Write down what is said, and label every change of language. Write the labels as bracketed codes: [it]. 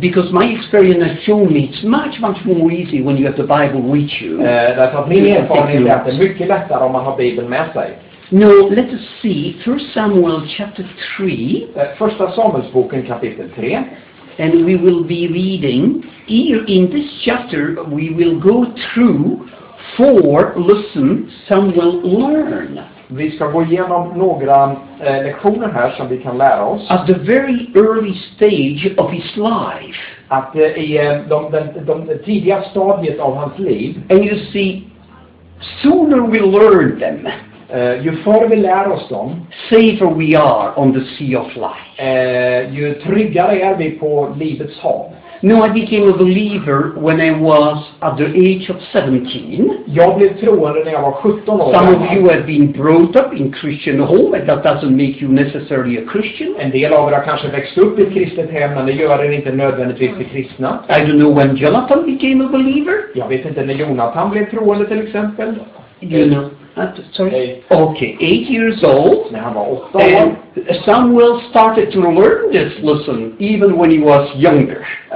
[en] Because my experience has shown me it's much, much more easy when you have the Bible with you. [sv] Därför att min erfarenhet är att det är mycket lättare om man har Bibeln med sig. [en] No, let us see 1 Samuel chapter 3. [sv] Första Samuelsboken kapitel 3. [en] And we will be reading here in this chapter we will go through four lessons Samuel learned. [sv] Vi ska gå igenom några lektioner här som vi kan lära oss. [en] At the very early stage of his life. [sv] Att i de tidiga stadiet av hans liv. [en] And you see, sooner we learn them. [sv] Ju förr vi lär oss dem, [en] safer we are on the sea of life. [sv] Ju tryggare är vi på livets hav. [en] No, I became a believer when I was at the age of 17. [sv] Jag blev troende när jag var 17 år. [en] Some of you have been brought up in Christian home, and that doesn't make you necessarily a Christian. [sv] En del av er har kanske växt upp i ett kristet hem, men det gör er inte nödvändigtvis till kristna. [en] I don't know when Jonathan became a believer. [sv] Jag vet inte när Jonathan blev troende till exempel. [en] You know. Okay, 8 years old. [sv] När han var 8 år. [en] And Samuel started to learn this lesson even when he was younger.